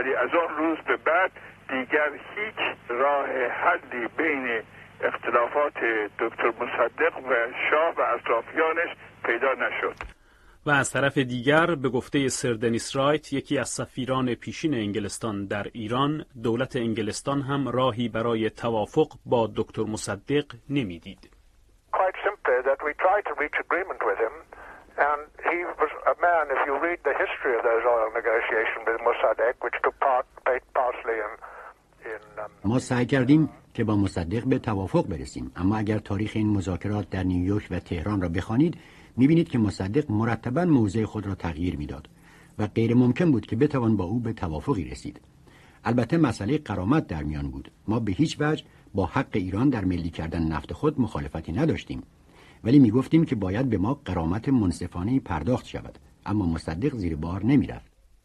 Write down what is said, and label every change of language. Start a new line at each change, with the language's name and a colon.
Persian: ولی از آن روز به بعد دیگر هیچ راه حلی بین اختلافات دکتر مصدق و شاه و اطرافیانش پیدا نشد. و از طرف دیگر به گفته سر دنیس رایت، یکی از سفیران پیشین انگلستان در ایران، دولت انگلستان هم راهی برای توافق با دکتر مصدق نمیدید.
English: Quite simply that we tried to reach agreement with him, and he was a man, if you read the history of those oil negotiations with Mossadegh, which took part partially in
Persian: ما سعی کردیم که با مصدق به توافق برسیم، اما اگر تاریخ این مذاکرات در نیویورک و تهران را بخوانید، می‌بینید که مصدق مرتباً موضع خود را تغییر می‌داد و غیر ممکن بود که بتوان با او به توافقی رسید. البته مسئله غرامت در میان بود. ما به هیچ وجه با حق ایران در ملی کردن نفت خود مخالفتی نداشتیم، ولی می‌گفتیم که باید به ما غرامت منصفانه پرداخت شود، اما مصدق زیر بار نمی‌رفت.